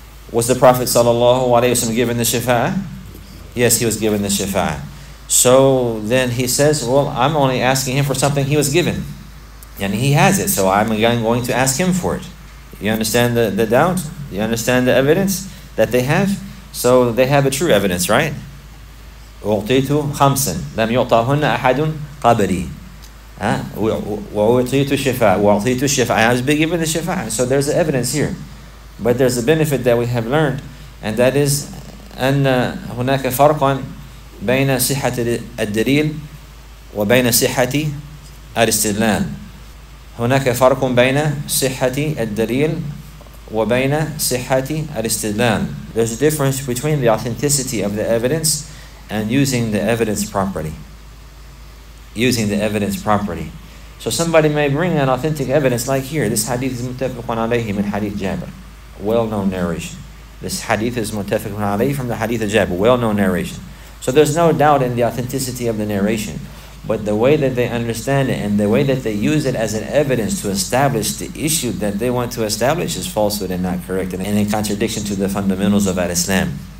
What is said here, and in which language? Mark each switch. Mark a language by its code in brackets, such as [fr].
[en] Was the Prophet sallallahu alayhi wasallam given the shafa'ah? Yes, he was given the shafa'ah. So then he says, well, I'm only asking him for something he was given. And he has it, so I'm again going to ask him for it. You understand the doubt? You understand the evidence that they have? So they have a true evidence, right? [ar] أُعْطِيتُ خَمْسًا لَمْ يُعْطَهُنَّ أَحَدٌ قَبْلِي وَأُعْطِيتُ الشِّفَاعَ وَأُعْطِيتُ الشِّفَاعَ. [en] I was given the shifa'ah. So there's the evidence here. But there's a benefit that we have learned, and that is [ar] أَنَّ هُنَاكَ فَرْقًا بَيْنَ صِحَّةِ الدَّلِيلِ وَبَيْنَ صِحَّةِ الْإِسْتِدْلَالِ. هناك فرق بين صحة الدليل وبين صحة الاستدلال. [en] There's a difference between the authenticity of the evidence and using the evidence properly. Using the evidence properly. So somebody may bring an authentic evidence like here. This hadith is [ar] متفقون عليه من حديث جابر. [en] Well-known narration. This hadith is [ar] متفقون عليه [en] from the hadith of جابر. Well-known narration. So there's no doubt in the authenticity of the narration. But the way that they understand it and the way that they use it as an evidence to establish the issue that they want to establish is falsehood and not correct, and in contradiction to the fundamentals of al-Islam.